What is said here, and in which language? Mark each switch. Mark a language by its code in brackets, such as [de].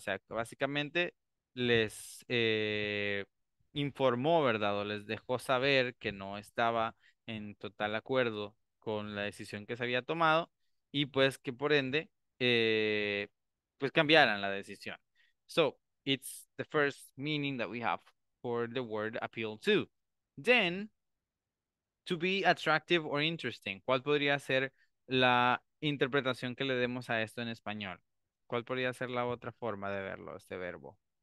[es] O sea, básicamente les informó, ¿verdad?, o les dejó saber que no estaba en total acuerdo con la decisión que se había tomado, y pues que por ende, pues cambiaran la decisión. [en] So, it's the first meaning that we have for the word appeal to. Then, to be attractive or interesting. [es] ¿Cuál podría ser la interpretación que le demos a esto en español? ¿Cuál podría ser la otra forma de verlo, este verbo?